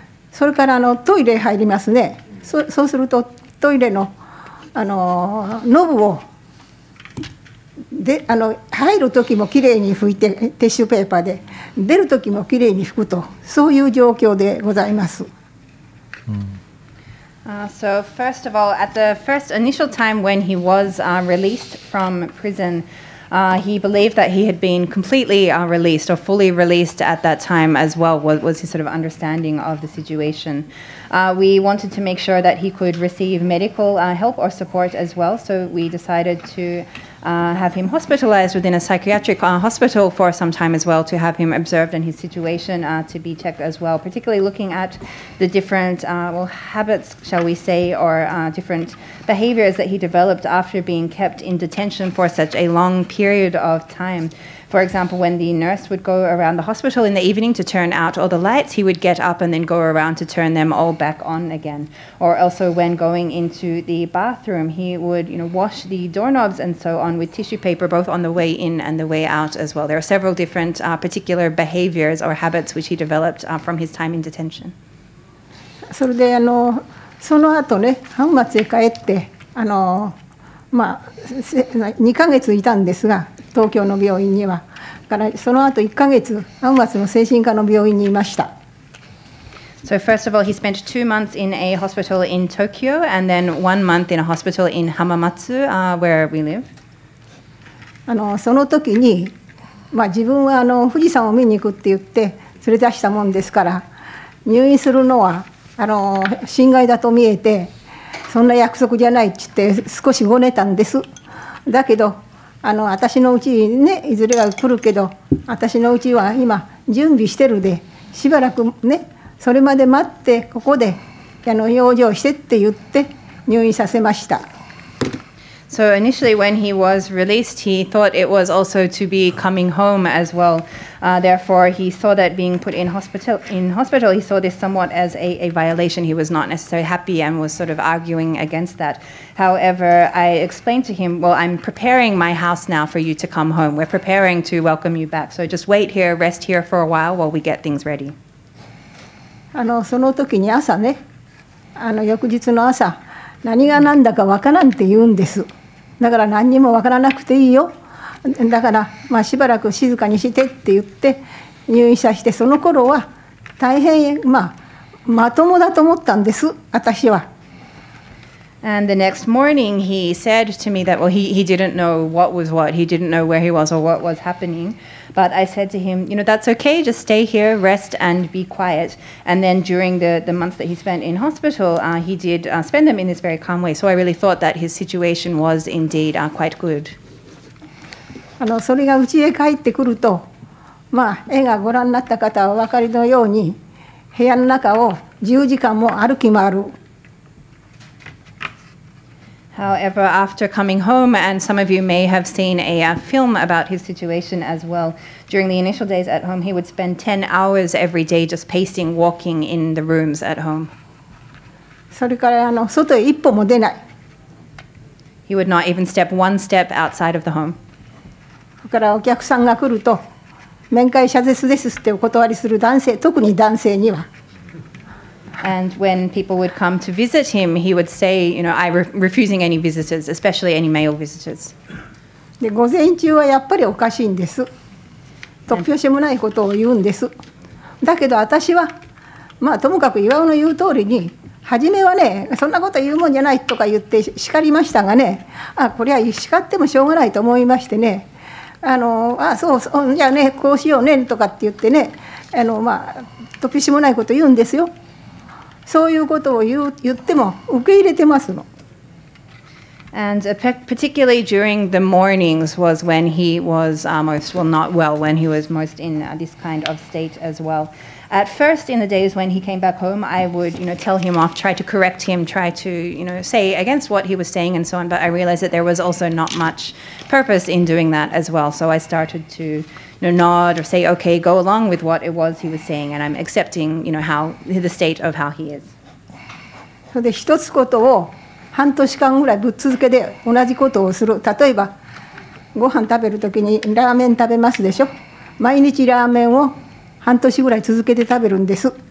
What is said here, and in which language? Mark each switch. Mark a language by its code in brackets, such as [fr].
[ja] それからトイレ入りますね。そうするとトイレのノブをで入る時もきれいに拭いて、ティッシュペーパーで出る時もきれいに拭くと、そういう状況でございます。 [en] So first of all, at the first initial time when he was released from prison, he believed that he had been completely released or fully released at that time as well, was his sort of understanding of the situation. We wanted to make sure that he could receive medical help or support as well, so we decided to have him hospitalized within a psychiatric hospital for some time as well to have him observed and his situation to be checked as well, particularly looking at the different habits, shall we say, or different behaviors that he developed after being kept in detention for such a long period of time. For example, when the nurse would go around the hospital in the evening to turn out all the lights, he would get up and then go around to turn them all back on again. Or also when going into the bathroom, he would, wash the doorknobs and so on with tissue paper, both on the way in and the way out as well. There are several different particular behaviors or habits which he developed from his time in detention. So then, [ja] その後ね、浜松へ帰って、2ヶ月いたんですが、東京の病院には。からその後1ヶ月浜松の精神科の病院にいました。 [en] So first of all, he spent 2 months in a hospital in Tokyo and then 1 month in a hospital in Hamamatsu, where we live. [ja] その時に、まあ、自分は富士山を見に行くって言って連れ出したもんですから、入院するのは心外だと見えて、そんな約束じゃないって言って少しごねたんです。だけど私のうちにね、いずれは来るけど、私のうちは今準備してるで、しばらくね、それまで待ってここで養生してって言って入院させました。 [en] So initially when he was released, he thought it was also to be coming home as well. Therefore, he saw that being put in hospital, he saw this somewhat as a violation. He was not necessarily happy and was sort of arguing against that. However, I explained to him, well, I'm preparing my house now for you to come home. We're preparing to welcome you back. So just wait here, rest here for a while we get things ready. [ja] その時に朝ね、翌日の朝、何が何だかわからんって言うんです。だから何にもわからなくていいよ、だからまあしばらく静かにしてって言って入院させて、その頃は大変、まあ、まともだと思ったんです、私は。 [en] And the next morning he said to me that, well, he didn't know what was what. He didn't know where he was or what was happening. But I said to him, you know, that's okay. Just stay here, rest and be quiet. And then during the months that he spent in hospital, he did spend them in this very calm way. So I really thought that his situation was indeed quite good. [ja] それが家へ帰ってくると、まあ、絵がご覧になった方はお分かりのように、部屋の中を10時間も歩き回る。 [en] However, after coming home, and some of you may have seen a film about his situation as well, during the initial days at home, he would spend 10 hours every day just pacing, walking in the rooms at home. [ja] それから外へ一歩も出ない。 [en] He would not even step one step outside of the home. [ja] それからお客さんが来ると、面会謝絶ですってお断りする男性、特に男性には。 [en] And when people would come to visit him, he would say, you know, I'm refusing any visitors, especially any male visitors. [ja] で、午前中はやっぱりおかしいんです。突拍子もないことを言うんです。だけど私は、まあともかく岩尾の言う通りに、初めはね、そんなこと言うもんじゃないとか言って叱りましたがね、あ、これは叱ってもしょうがないと思いましてね、そう、じゃあね、こうしようねとかって言ってね、まあ、突拍子もないこと言うんですよ。そういうことを言っても受け入れてますの。 [en] And particularly during the mornings was when he was most, well, not well, when he was most in this kind of state as well. At first, in the days when he came back home, I would, you know, tell him off, try to correct him, try to, you know, say against what he was saying and so on. But I realized that there was also not much purpose in doing that as well. So I started to, you know, nod or say, okay, go along with what it was he was saying, and I'm accepting, you know, how the state of how he is. So the one thing. [ja] 半年間ぐらいぶっ続けで同じことをする。例えばご飯食べるときにラーメン食べますでしょ、毎日ラーメンを半年ぐらい続けて食べるんです。